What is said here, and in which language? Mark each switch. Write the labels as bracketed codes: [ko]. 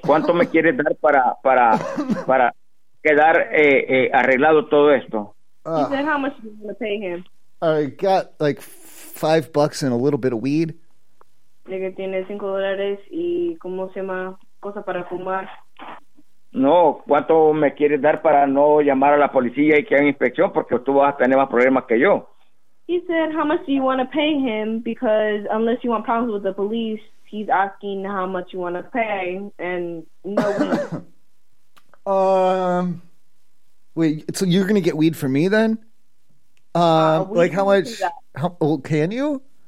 [es] ¿Cuánto me quieres dar para quedar arreglado todo esto? [en] He said, how much are you going to pay him? I got like $5 and a little bit of weed. [es] Que tiene $5 y cómo se llama cosa para fumar. No, ¿cuánto me quieres dar para no llamar a la policía y que haga inspección porque tú vas a tener más problemas que yo? [en] He said, how much do you want to pay him? Because unless you want problems with the police, he's asking how much you want to pay and no weed. Wait, so you're gonna get weed for me then? Can you?